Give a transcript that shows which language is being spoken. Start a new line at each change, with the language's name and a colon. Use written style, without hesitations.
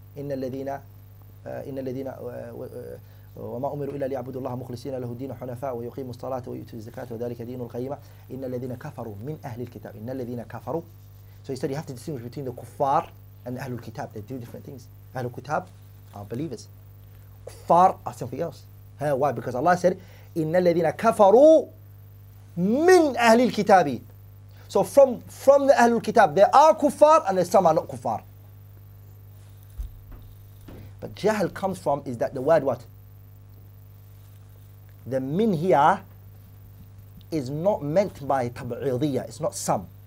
Arabic: Inna ladina وما أمروا إلا ليعبدوا الله مخلصين له الدين حنفاء ويقيموا الصلاة ويؤتوا الزكاة وذلك دين القيمة إن الذين كفروا من أهل الكتاب إن الذين كفروا.
English: So he said you have to distinguish between the kuffar and أهل الكتاب. They do different things. أهل الكتاب are believers. Kuffar are something else. Ha. Why? Because Allah said
Arabic: إن الذين كفروا من أهل الكتاب.
English: So from the أهل الكتاب, there are kuffar and some are not kuffar. But jahl comes from is that the word what? The min here is not meant by tab'idiyya. It's not some.